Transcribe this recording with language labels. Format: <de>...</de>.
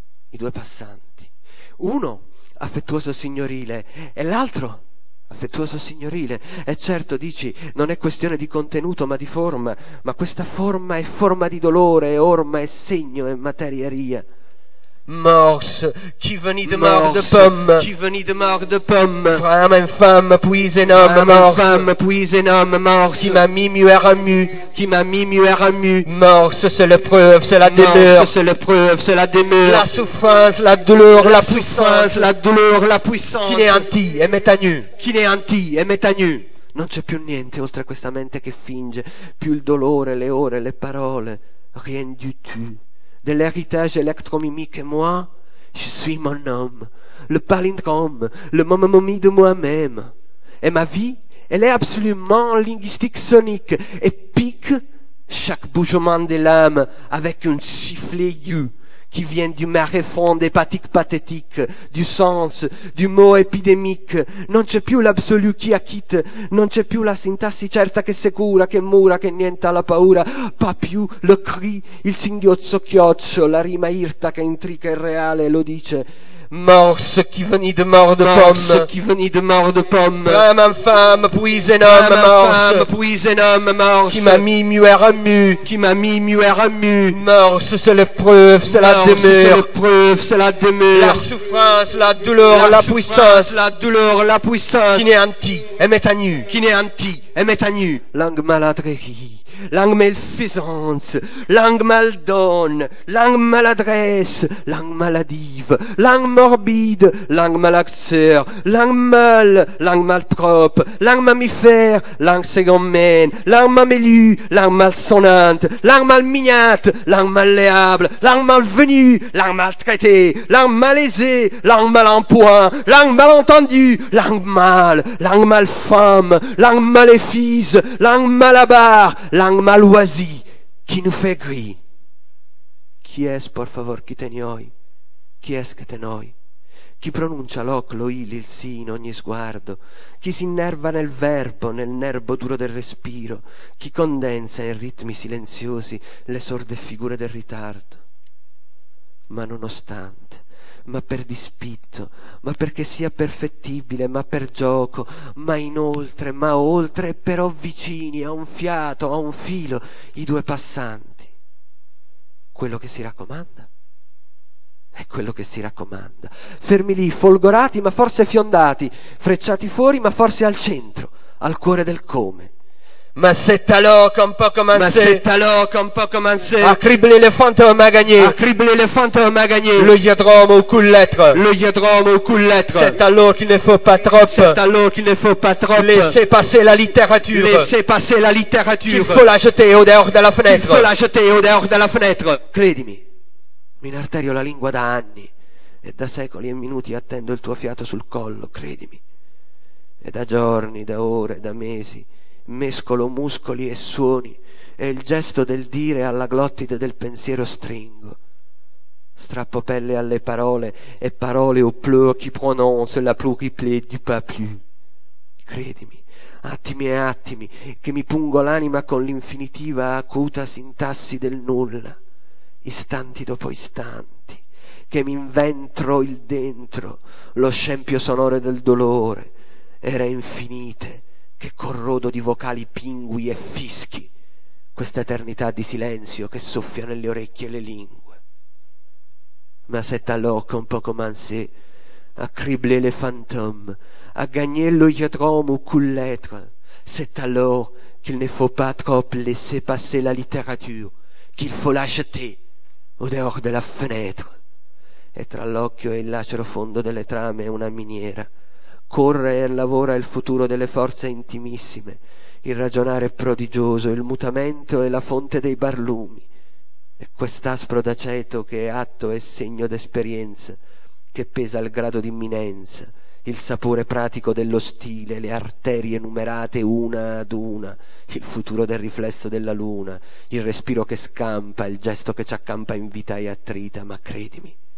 <it>I due passanti, uno affettuoso signorile, e l'altro... affettuoso signorile, è certo, dici, non è questione di contenuto ma di forma, ma questa forma è forma di dolore, è orma, è segno, è materieria.</it> <fr>Mors, qui venit de mort de pomme. Qui venit de mort de pomme. Femme infâme, puis un homme mort. Femme puis un homme mort. Qui m'a mis muet remu. Qui m'a mis muet remu. Mors, c'est la preuve, c'est la demeure. Mors, c'est la preuve, c'est la demeure. La souffrance, la douleur, la puissance. La douleur, la puissance. Qui n'est anti, et m'est à nu. Qui n'est anti, et m'est à nu.</fr> <it>Non c'è più niente oltre questa mente che finge. Più il dolore, le ore, le parole.</it> <fr>Rien du tout. De l'héritage électromimique, moi, je suis mon homme, le palindrome, le momomomie de moi-même. Et ma vie, elle est absolument linguistique sonique, et pique chaque bougement de l'âme avec un sifflet aigu. qui vient du marais fond, des pratiques pathétiques, du sens, du mot épidémique.</fr> <it>Non c'è più</it> <fr>l'absolu qui acquitte,</fr> <it>non c'è più la sintassi certa che sicura, che mura, che niente alla paura, pas più le cri, il singhiozzo chioccio, la rima irta che intrica il reale, lo dice.</it> <fr>Mors qui venit de mort de pomme. Mors qui venit de mort de pomme. Femme infâme, puis un homme mors. Femme infâme, puis un homme mors. Qui m'a mis muet remu. Qui m'a mis muet remu. Mors, c'est l'épreuve, c'est la demeure. C'est l'épreuve, c'est la demeure. La souffrance, la douleur, la puissance. La douleur, la puissance. Qui n'est anti, elle met à nu. Qui n'est anti, elle met à nu. Langue maladrerie. Langue malfaisance, langue maldonne, langue maladresse, langue maladive, langue morbide, langue malaxeur, langue mal, langue malpropre, langue mammifère, langue segmentée, langue mamelue, langue malsonnante, langue malmignante, langue malléable, langue malvenue, langue maltraitée, langue malaisée, langue mal en point, langue malentendue, langue mal, langue malfemme, langue maléfice, langue malabar, langue maloisie, qui nous fait gris. Qui est-ce,</fr> <es>por favor,</es> <fr>qui te noi? Qui est-ce que te noi?</fr> <it>Chi pronuncia l'oc, lo il, il sì in ogni sguardo? Chi si innerva nel verbo, nel nervo duro del respiro? Chi condensa in ritmi silenziosi le sorde figure del ritardo? Ma nonostante, ma per dispitto, ma perché sia perfettibile, ma per gioco, ma inoltre, ma oltre, però vicini a un fiato, a un filo, i due passanti. Quello che si raccomanda è quello che si raccomanda. Fermi lì, folgorati, ma forse fiondati, frecciati fuori, ma forse al centro, al cuore del come.</it> <fr>Ma c'est alors qu'on peut commencer. Ma c'est alors qu'on peut commencer. À cribler les fantômes à gagner. À cribler les fantômes à gagner. Le hiédrome au coup de lettres. Le hiédrome au coup de lettres. C'est alors qu'il ne faut pas trop. C'est alors qu'il ne faut pas trop. Laissez passer la littérature. Laissez passer la littérature. Il faut la jeter au dehors de la fenêtre. Il faut la jeter au dehors de la fenêtre.</fr> <it>Credimi, mi inarterio la lingua da anni e da secoli e minuti attendo il tuo fiato sul collo, credimi. E da giorni, da ore, da mesi mescolo muscoli e suoni e il gesto del dire alla glottide del pensiero stringo, strappo pelle alle parole e parole</it> <fr>au pleur qui prononce la pluriplé du pas plus.</fr> <it>Credimi, attimi e attimi che mi pungo l'anima con l'infinitiva acuta sintassi del nulla, istanti dopo istanti che mi inventro il dentro, lo scempio sonore del dolore, era infinite che corrodo di vocali pingui e fischi questa eternità di silenzio che soffia nelle orecchie e le lingue.</it> <fr>Ma c'est alors qu'on peut commencer à cribler les fantômes, à gagner le hiédrome au coup de lettres. C'est alors qu'il ne faut pas trop laisser passer la littérature, qu'il faut l'acheter au dehors de la fenêtre.</fr> <it>E tra l'occhio e il lacero fondo delle trame è una miniera. Corre e lavora il futuro delle forze intimissime, il ragionare prodigioso, il mutamento e la fonte dei barlumi, e quest'aspro d'aceto che è atto e segno d'esperienza, che pesa il grado d'imminenza, il sapore pratico dello stile, le arterie numerate una ad una, il futuro del riflesso della luna, il respiro che scampa, il gesto che ci accampa in vita e attrita, ma credimi.</it>